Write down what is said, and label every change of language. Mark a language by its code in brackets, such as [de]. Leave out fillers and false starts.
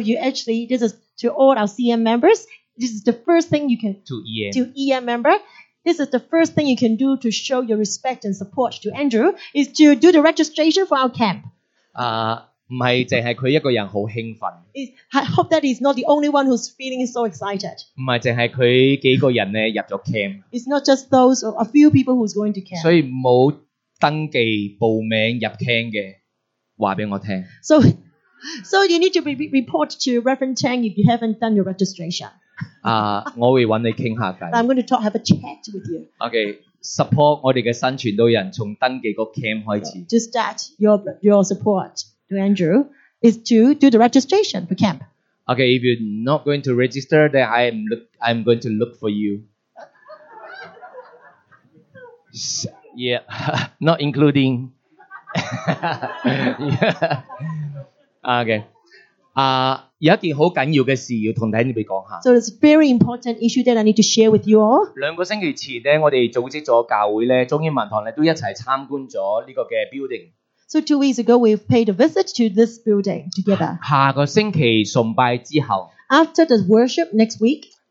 [en] you actually, this is to all our CM members. This is the first thing you can to EM. To EM member. This is the first thing you can do to show your respect and support to Andrew is to do the registration for our camp. [yue] 唔係淨係佢一個人好興奮。 [en] I hope that he's not the only one who's feeling so excited. [yue] 唔係淨係佢幾個人咧入咗 camp。 [en] It's not just those a few people who's going to camp. [yue] 所以冇登記報名入 camp 嘅，話俾我聽。 [en] So you need to report to Reverend Chang if you haven't done your registration. [yue] 啊，我會揾你傾下偈。 [en] I'm going to talk, have a chat with you. [yue] Okay. Support 我哋嘅新传道人从登记个 camp 开始。 [en] To start your support to Andrew is to do the registration for camp. Okay, if you're not going to register, then I'm going to look for you. Yeah, not including. Yeah. Okay. [yue] 有一件好紧要嘅事要同弟兄姊妹讲下。 [en] So it's a very important issue that I need to share with you all. [yue] 两个星期前咧，我哋组织咗教会咧，中英文堂咧都一齐参观咗呢个嘅 building。 [en] So 2 weeks ago, we paid a visit to this building together. [yue] 下个星期崇拜之后 [en] ，After the worship next week，